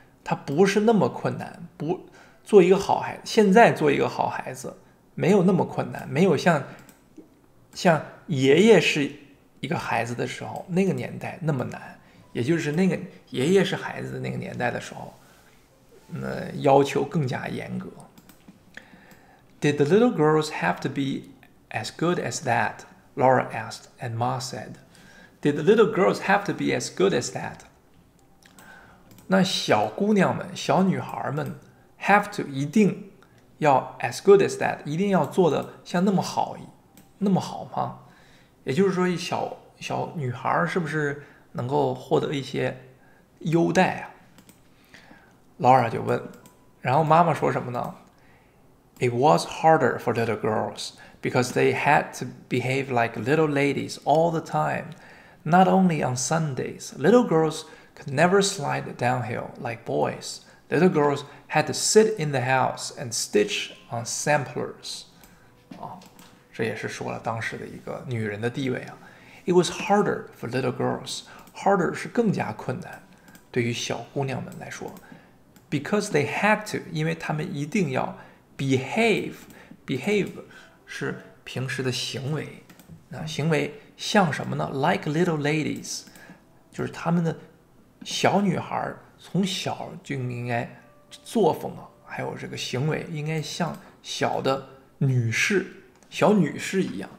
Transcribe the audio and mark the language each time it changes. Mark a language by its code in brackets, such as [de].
[zh] 它不是那么困难，不做一个好孩子，现在做一个好孩子没有那么困难，没有像爷爷是一个孩子的时候，那个年代那么难，也就是那个爷爷是孩子的那个年代的时候，那要求更加严格。 [en] Did the little girls have to be as good as that? Laura asked, and Ma said, Did the little girls have to be as good as that? [zh] 那小姑娘们，小女孩们 ， [en] have to [zh] 一定要 [en] as good as that， [zh] 一定要做的像那么好，那么好吗？也就是说，小女孩是不是能够获得一些优待啊？ Laura 就问，然后妈妈说什么呢？ [en] It was harder for little girls because they had to behave like little ladies all the time. Not only on Sundays, little girls could never slide downhill like boys. Little girls had to sit in the house and stitch on samplers. [zh] 啊，这也是说了当时的一个女人的地位啊。 [en] It was harder for little girls. Harder [zh] 是更加困难，对于小姑娘们来说。 [en] Because they had to， [zh] 因为她们一定要 [en] behave。 [zh] Behave 是平时的行为。那行为像什么呢 ？ [en] Like little ladies， [zh] 就是她们的小女孩，从小就应该作风啊，还有这个行为应该像小的女士、小女士一样。